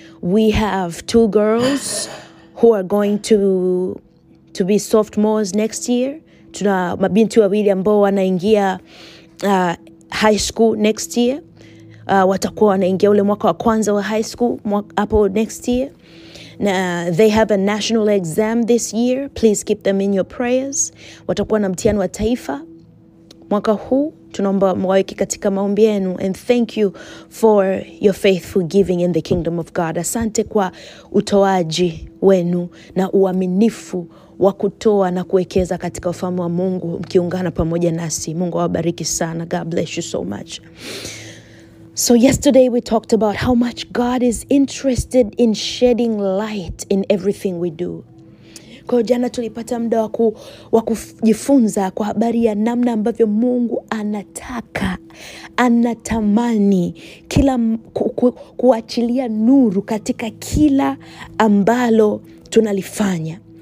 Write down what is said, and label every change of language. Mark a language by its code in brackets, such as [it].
[en] We have two girls who are going to be sophomores next year. [sw] Tuna mabinti wawili ambao wanaingia high school [en] next year. [sw] Watakuwa wanaingia ule mwaka wa kwanza wa high school hapo [en] next year. [sw] Na [en] they have a national exam this year. Please keep them in your prayers. [sw] Watakuwa na mtihani wa taifa mwaka huu. Tunaomba mwaweke katika maombi yenu. [en] And thank you for your faithful giving in the kingdom of God. [sw] Asante kwa utoaji wenu na uaminifu wa kutoa na kuwekeza katika ufalme wa Mungu mkiungana pamoja nasi. Mungu awabariki sana. [en] God bless you so much. So yesterday we talked about how much God is interested in shedding light in everything we do. [sw] Kwa jana tulipata muda wa kujifunza kwa habari ya namna ambavyo Mungu anataka, anatamani kila kuachilia nuru katika kila ambalo tunalifanya.